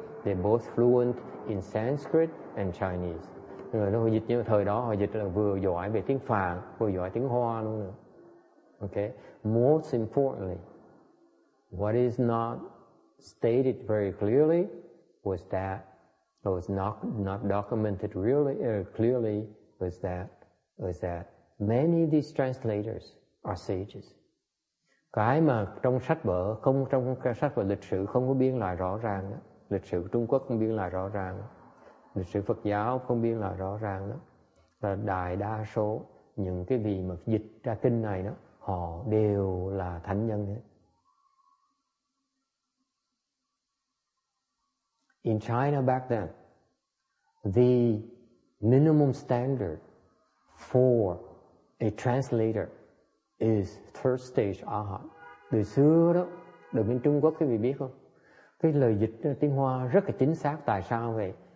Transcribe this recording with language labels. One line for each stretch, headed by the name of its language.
English: They both fluent in Sanskrit and Chinese.
Vietnamese: Người đó dịch như thời đó họ dịch là vừa giỏi về tiếng Phạn vừa giỏi tiếng Hoa luôn nữa.
English: Okay. Most importantly, what is not stated very clearly was that. So it's not documented really clearly was that many of these translators are sages.
Vietnamese: Cái mà trong sách vở lịch sử không có biên lại rõ ràng đó. Lịch sử Trung Quốc không biên lại rõ ràng đó. Lịch sử Phật giáo không biên lại rõ ràng đó. Là đại đa số những cái vị mà dịch ra kinh này đó, họ đều là thánh nhân hết.
English: In China back then, the minimum standard for a translator is third stage arhat.
Vietnamese: Từ xưa đó, đời bên Trung Quốc quý vị biết không? Cái lời dịch tiếng Hoa rất là chính xác. Tại sao vậy?